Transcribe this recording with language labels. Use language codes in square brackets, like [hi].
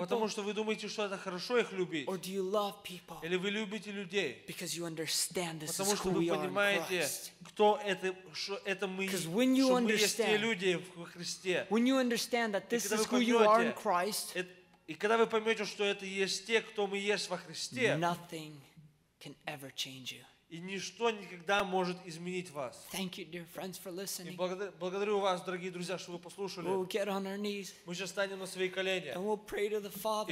[ru] Потому что вы думаете, что это хорошо их любить. [en] Or do you love people? [ru] Или вы любите людей? [en] Because you understand this. [ru] Потому что вы понимаете, кто это, что это мы. [en] Because when you understand, [ru] есть те люди в Христе. [en] When you understand that this is who you are in Christ. [ru] И когда вы поймете, что это есть те, кто мы есть во Христе, [en] nothing can ever change you. [ru] И ничто никогда может изменить вас. [en] Thank you, dear friends, for listening. [ru] И благодарю вас, дорогие друзья, что вы послушали. [en] We'll get on our knees. [ru] Мы сейчас встанем на свои колени. [en] And we'll pray to the Father.